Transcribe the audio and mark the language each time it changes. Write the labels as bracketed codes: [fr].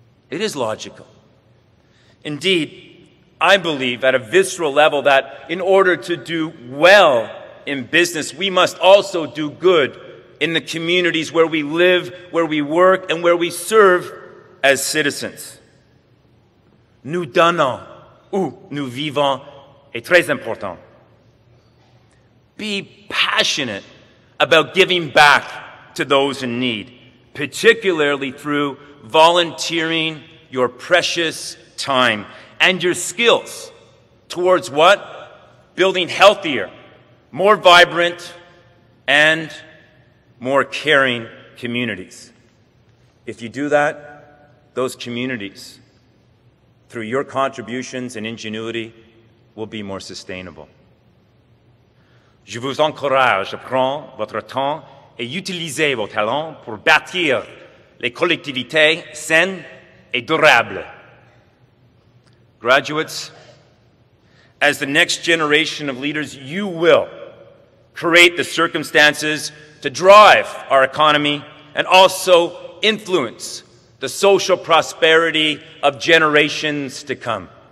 [en] It is logical. Indeed, I believe at a visceral level that in order to do well in business, we must also do good in the communities where we live, where we work, and where we serve as citizens. [fr] Nous donnons où nous vivons est très important. [en] Be passionate about giving back to those in need, particularly through volunteering your precious time and your skills towards what? Building healthier, more vibrant, and more caring communities. If you do that, those communities, through your contributions and ingenuity, will be more sustainable. [fr] Je vous encourage à prendre votre temps et utiliser vos talents pour bâtir les collectivités saines et durables. [en] Graduates, as the next generation of leaders, you will create the circumstances to drive our economy and also influence the social prosperity of generations to come.